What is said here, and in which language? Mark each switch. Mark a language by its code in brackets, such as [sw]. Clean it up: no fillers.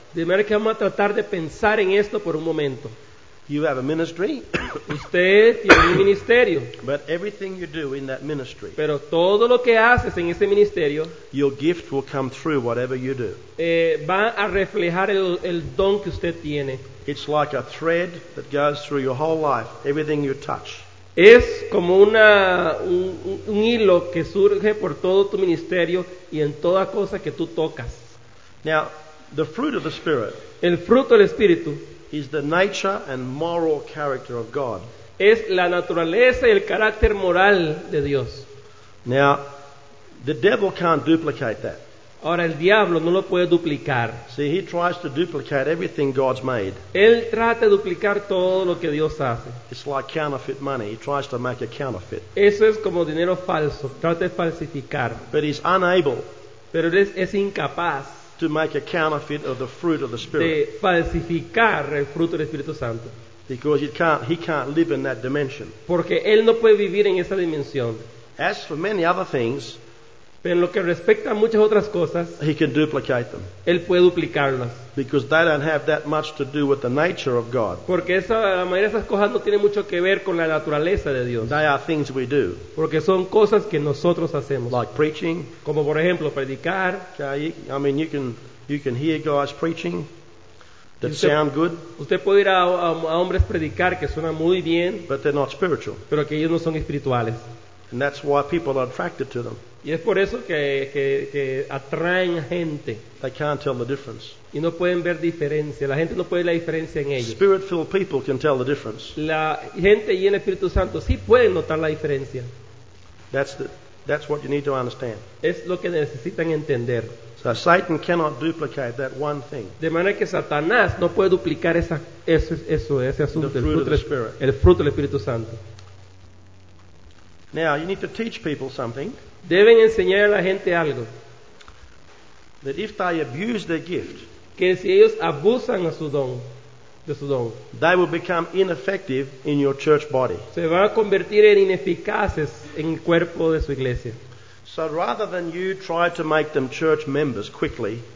[es] De manera que vamos a tratar de pensar en esto por un momento. [en] You have a ministry. [es] Usted tiene un ministerio. [en] But everything you do in that ministry. [es] Pero todo lo que haces en ese ministerio. [en] Your gift will come through whatever you do. [es] Va a reflejar el don que usted tiene. [en] It's like a thread that goes through your whole life, everything you touch. [es] Es como un hilo que surge por todo tu ministerio y en toda cosa que tú tocas. [en] Now, the fruit of the Spirit. [es] El fruto del Espíritu. [en] Is the nature and moral character of God. [es] Es la naturaleza y el carácter moral de Dios. [en] Now, the devil can't duplicate that. [es] Ahora, el diablo no lo puede duplicar. [en] See, he tries to duplicate everything God's made. [es] Él trata de duplicar todo lo que Dios hace. [en] It's like counterfeit money. He tries to make a counterfeit. [es] Eso es como dinero falso. Trata de falsificar. [en] But he's unable. [es] Pero es incapaz. [en] To make a counterfeit of the fruit of the Spirit. [es] De falsificar el fruto del Espíritu Santo. [en] Because he can't live in that dimension. [es] Porque él no puede vivir en esa dimensión. [en] As for many other things, [es] Pero en lo que respecta a muchas otras cosas, [en] he can duplicate them. [es] Él puede duplicarlas. [en] Because they don't have that much to do with the nature of God. [es] Porque esa, la mayoría de esas cosas no tiene mucho que ver con la naturaleza de Dios. [en] They are things we do. [es] Porque son cosas que nosotros hacemos. [en] Like preaching. [es] Como por ejemplo, predicar. [en] Okay, I mean, you can hear guys preaching. That sound good. [es] Usted puede ir a hombres predicar que suena muy bien, [en] but they're not spiritual. [es] Pero que ellos no son espirituales. [en] And that's why people are attracted to them. [es] Y es por eso que atraen gente. [en] They can't tell the difference. [es] Y no pueden ver diferencia. La gente no puede ver la diferencia en ellos. [en] Spirit-filled people can tell the difference. [es] La gente y el Espíritu Santo sí pueden notar la diferencia. [en] That's what you need to understand. [es] Es lo que necesitan entender. [en] So Satan cannot duplicate that one thing. [es] De manera que Satanás no puede duplicar ese asunto, [en] the fruit of the Spirit. [es] El fruto del Espíritu Santo. [en] Now you need to teach people something. [es] Deben enseñar a la gente algo. [en] That if they abuse their gift, [es] que si ellos abusan a su don, de su don, [en] they will become ineffective in your church body. [es] Se van a convertir en ineficaces en el cuerpo de su iglesia. [en] So rather than you try to make them church members quickly,